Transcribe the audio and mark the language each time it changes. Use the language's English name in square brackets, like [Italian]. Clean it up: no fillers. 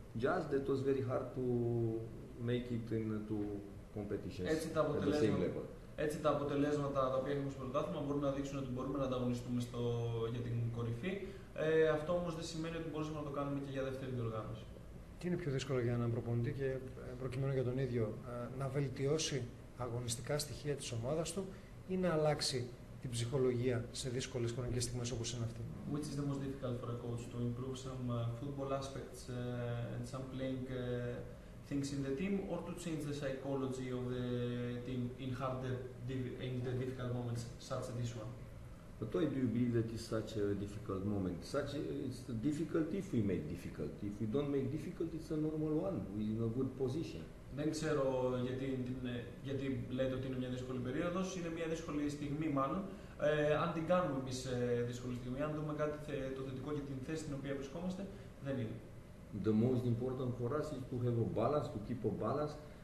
[English] Just that was very hard to make it into competitions at the same level. [Greek] Έτσι τα αποτελέσματα τα οποία έχουμε στο πρωτάθλημα μπορούν να δείξουν ότι μπορούμε να ανταγωνιστούμε στο, για την κορυφή. Αυτό όμως δεν σημαίνει ότι μπορούμε να το κάνουμε και για δεύτερη διοργάνωση. Τι είναι πιο δύσκολο για έναν προπονητή και προκειμένου για τον ίδιο, να βελτιώσει αγωνιστικά στοιχεία της ομάδας του ή να αλλάξει την ψυχολογία σε δύσκολες χρονικές στιγμές όπως είναι αυτή? [English] Which is the most difficult for a coach, to improve some football aspects and some playing things in the team, or to change the psychology of the team in harder, in the difficult moments such as this one? But why do you believe that it's such a difficult moment? Such a, it's difficult if we make difficult. If we don't make difficult, it's a normal one. We're in a good position. [Greek] Δεν ξέρω γιατί, γιατί λέτε ότι είναι μια δύσκολη περίοδος. Είναι μια δύσκολη στιγμή μάλλον. Αν την κάνουμε εμείς δύσκολη στιγμή, αν δούμε κάτι το θετικό για την θέση στην οποία βρισκόμαστε, δεν είναι. [English] The most important for us is to have a balance, to keep a balance.